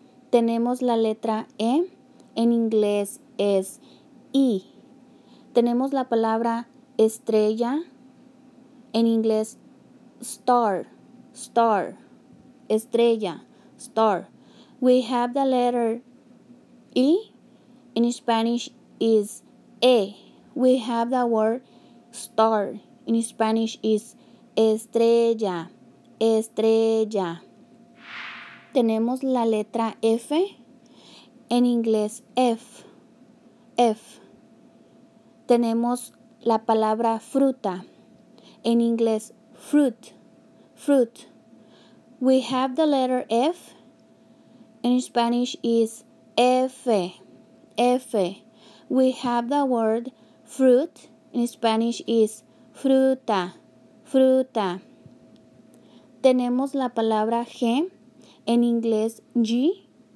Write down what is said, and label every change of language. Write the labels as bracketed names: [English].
[Spanish] Tenemos la letra E, en inglés es E. Tenemos la palabra estrella, en inglés star, star, estrella, star. [English] We have the letter E, in Spanish is E. We have the word star, in Spanish is estrella, estrella. [Spanish] Tenemos la letra F, en inglés F, F. Tenemos la palabra fruta, en inglés fruit, fruit. [English] We have the letter F, in Spanish is F, F. We have the word fruit, in Spanish is fruta, fruta. [Spanish] Tenemos la palabra G, en inglés G.